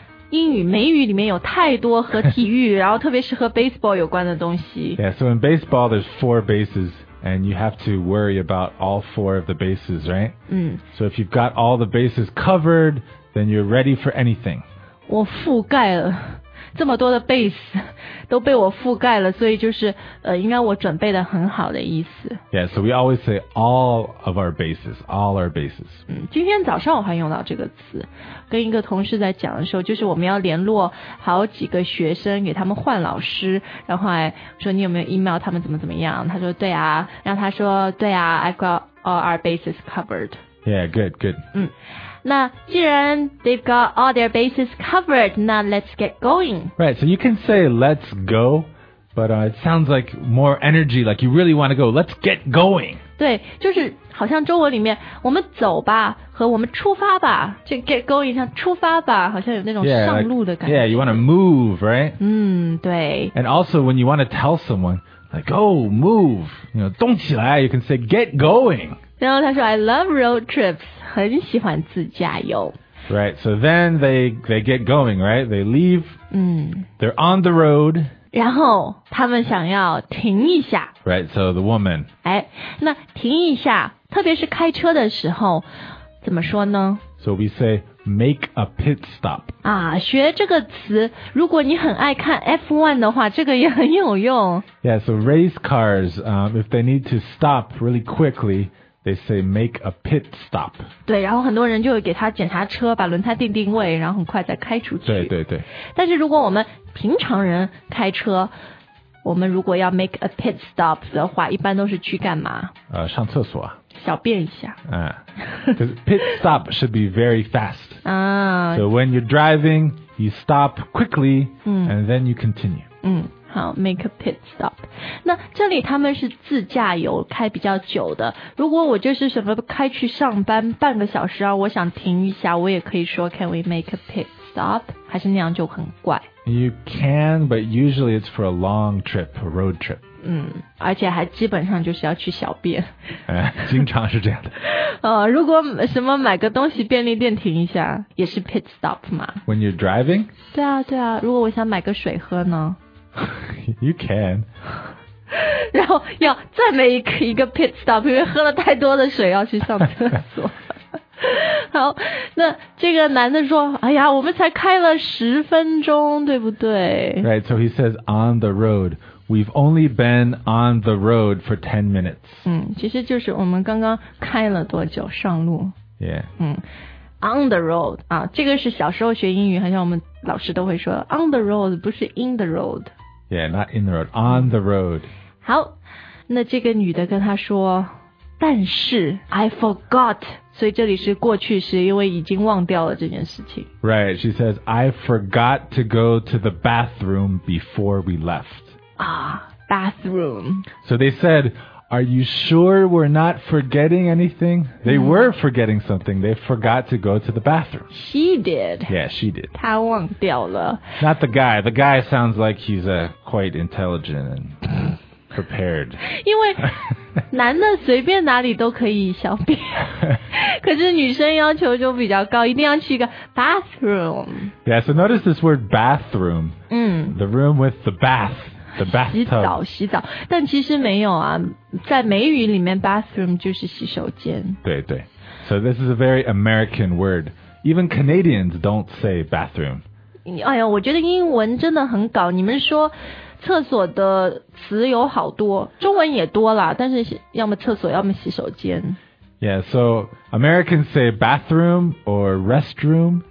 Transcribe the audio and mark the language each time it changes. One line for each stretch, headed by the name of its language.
Chinese: 英语美语里面有太多和体育，然后特别是和 baseball 有关的东西。
English: Yeah, so in baseball, there's four bases. And you have to worry about all four of the bases, right? Mm. So if you've got all the bases covered, then you're ready for anything.
Chinese: 我覆盖了这么多的 base 都被我覆盖了，所以就是应该我准备得很好的意思。
English: Yeah, so we always say all of our bases, all our bases.
Chinese: 嗯，今天早上我还用到这个词，跟一个同事在讲的时候，就是我们要联络好几个学生，给他们换老师，然后还说你有没有 email 他们怎么怎么样？他说对啊，然后他说对啊 ，
English: I've got all our bases covered. Yeah, good, good. 嗯。那既然 they've got all their bases covered, now let's get going. Right, so you can say let's go, but it sounds like more energy, like you really want to go. Let's get going.
Chinese: 对，就是好像中文里面我们走吧和我们出发吧，就 get going 像出发吧，好像有那种上路的感觉。
English: Yeah, like, yeah, you want to move, right?
Chinese: 嗯，对。
English: And also when you want to tell someone, like, oh, move, you know,
Chinese: 动起来,
English: you can say get going.
Chinese: 然后他说
English: I love road trips,
Chinese: 很喜欢自驾游。
English: Right, so then they get going, right? They leave,、嗯、 they're on the road.
Chinese: 然后他们想要停一下。
English: Right, so the woman.
Chinese: 哎，那停一下，特别是开车的时候，怎么说呢？
English: So we say make a pit stop.
Chinese: 啊，学这个词，如果你很爱看 F1 的话，这个也很有用。
English: Yeah, so race cars, if they need to stop really quickly,They say make a pit stop.
Chinese: 对，然后很多人就给他检查车，把轮胎定定位，然后很快再开出去。对对对。但是如果我们平常人开车，我们如果要
English: make a pit stop
Chinese: 的话，一般都是去干嘛？上厕所。小便一下。
English: Because pit stop should be very fast. 啊。 So when you're driving, you stop quickly, and then you continue.
Chinese: 嗯。好
English: make a pit stop.
Chinese: 那这里他们是自驾游开比较久的。如果我就是什么开去上班半个小时啊我想停一下我也可以说
English: can we make a pit stop?
Chinese: 还是那样就很怪。
English: You can, but usually it's for a long trip, a road trip.
Chinese: 嗯而且还基本上就是要去小便。经常是这样的。如果什么买个东西便利店停一下也是 pit stop 嘛。
English: When you're driving?
Chinese: 对啊对啊如果我想买个水喝呢
English: You can.
Chinese: 然后要再没一个 pit stop, 因为喝了太多的水要去上厕所。好那这个男的说哎呀我们才开了十分钟对不对
English: Right, so he says on the road. We've only been on the road for 10 minutes.
Chinese: 嗯其实就是我们刚刚开了多久上路。
English: Yeah. 嗯。
Chinese: On the road, 啊，这个是小时候学英语，好像我们老师都会说
English: on the road,
Chinese: 不是
English: in the road. Yeah, not in the road, on the road.
Chinese: 好，那这个女的跟她说，但是
English: I forgot,
Chinese: 所以这里是过去式，因为已经忘掉了这件事情。
English: Right, she says, I forgot to go to the bathroom before we left. Ah, bathroom. So they said,Are you sure we're not forgetting anything? They were forgetting something. They forgot to go to the bathroom. She did. Yeah, she did.
Chinese: 他忘掉了。
English: Not the guy. The guy sounds like he's quite intelligent and prepared.
Chinese: 因为男的随便哪里都可以小便。可是女生要求就比较高一定要去一个 bathroom.
English: Yeah, so notice this word bathroom. 嗯。 The room with the bath. The bathtub.
Chinese: 洗澡洗澡但其实没有啊在美语里面 bathroom 就是洗手间对对
English: So this is a very American word Even Canadians don't say bathroom
Chinese: 哎呀我觉得英文真的很搞你们说厕所的词有好多中文也多啦但是要么厕所要么洗手间
English: Yeah so Americans say bathroom or restroom、